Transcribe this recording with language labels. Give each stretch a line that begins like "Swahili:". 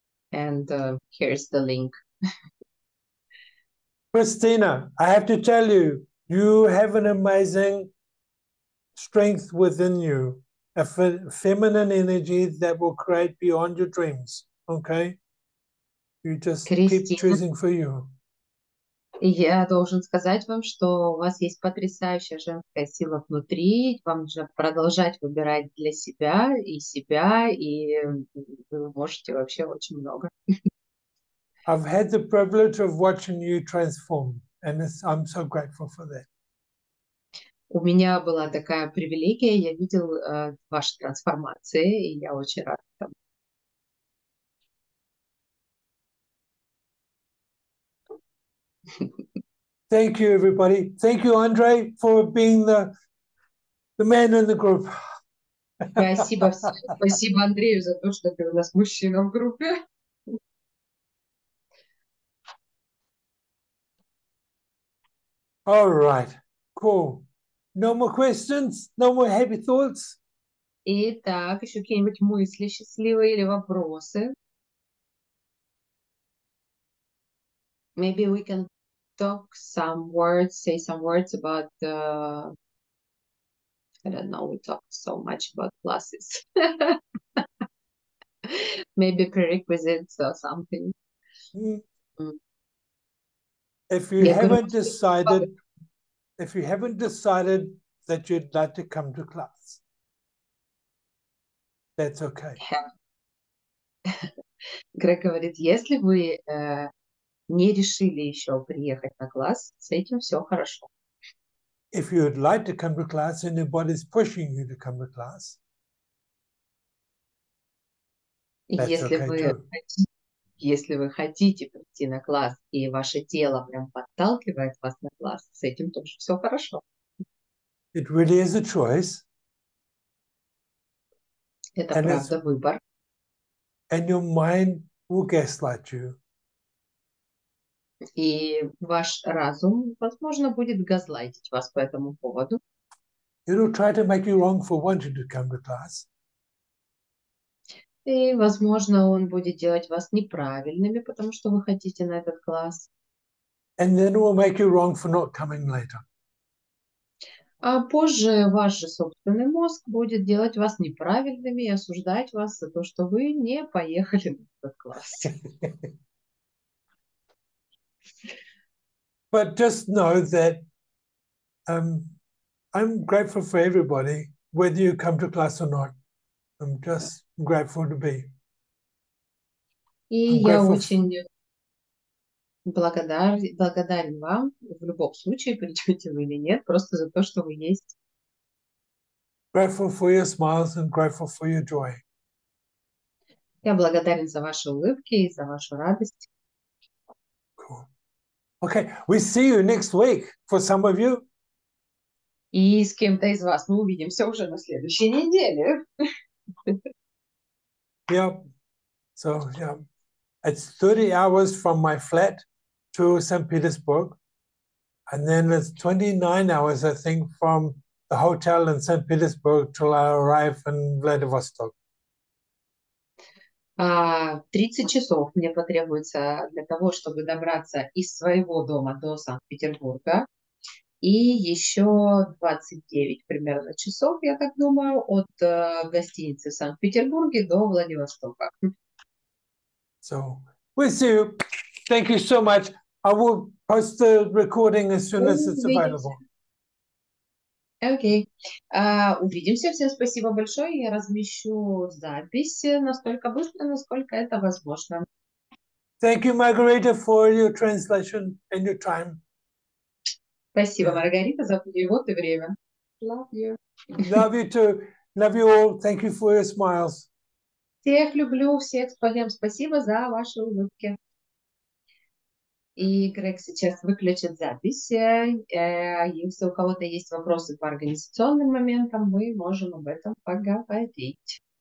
English: And here's the link. Christina, I have to tell you, you have an amazing strength within you, a feminine energy that will create beyond your dreams, okay? You just Christina, keep choosing for you.
Russian: Я должен сказать вам, что у вас есть потрясающая женская сила внутри, вам нужно продолжать выбирать для себя, и вы можете вообще очень много.
English: I've had the privilege of watching you transform, and I'm so grateful for that.
Russian: У меня была такая привилегия, я видел ваши трансформации, и я очень рад этому.
English: Thank you, everybody. Thank you, Andre, for being the man in the group.
Russian: Спасибо Андрею за то, что ты у нас мужчина в группе.
English: All right, cool. No more questions, no more happy thoughts.
Russian: Итак, еще какие-нибудь мысли счастливые или вопросы?
English: Maybe we can talk some words, say some words about, I don't know, we talked so much about classes. Maybe prerequisites or something. If you haven't decided that you'd like to come to class, that's okay.
Russian: Грег говорит, если вы не решили еще приехать на класс, с этим все хорошо.
English: If you'd like to come to class and your body's pushing you to come to class, that's okay too.
Russian: Если вы хотите прийти на класс, и ваше тело прям подталкивает вас на класс, с этим тоже все хорошо.
English: It really is a choice.
Russian: Это and правда выбор.
English: And your mind will gaslight you.
Russian: И ваш разум, возможно, будет газлайтить вас по этому поводу.
English: It'll try to make you wrong for wanting to come to class.
Russian: И, возможно, он будет делать вас неправильными, потому что вы хотите на этот класс.
English: And then it will make you wrong for not coming later.
Russian: А позже ваш же собственный мозг будет делать вас неправильными и осуждать вас за то, что вы не поехали на этот класс.
English: But just know that I'm grateful for everybody, whether you come to class or not. I'm just grateful to be.
Russian: И я очень благодарен вам в любом случае, придете вы или нет, просто за то, что вы есть.
English: Grateful for your smiles and grateful for your joy.
Russian: Я благодарен за ваши улыбки и за вашу радость.
English: Cool. Okay, we see you next week for some of you.
Russian: И с кем-то из вас мы увидимся уже на следующей неделе.
English: Yep. So, it's 30 hours from my flat to St. Petersburg. And then it's 29 hours, I think, from the hotel in St. Petersburg till I arrive in Vladivostok.
Russian: 30 часов мне потребуется для того, чтобы добраться из своего дома до Санкт-Петербурга. И еще 29 примерно часов, я так думаю, от гостиницы в Санкт-Петербурге до Владивостока.
English: So, we'll see you. Thank you so much. I will post the recording as soon as it's available.
Russian: Окей. Увидимся. Всем спасибо большое. Я размещу запись настолько быстро, насколько это возможно.
English: Thank you, Margarita, for your translation and your time.
Russian: Спасибо, Маргарита, за перевод и время.
English: Love you. Love you too. Love you all. Thank you for your smiles.
Russian: Всех люблю, всех спалим. Спасибо за ваши улыбки. И Грег сейчас выключит запись. Если у кого-то есть вопросы по организационным моментам, мы можем об этом поговорить.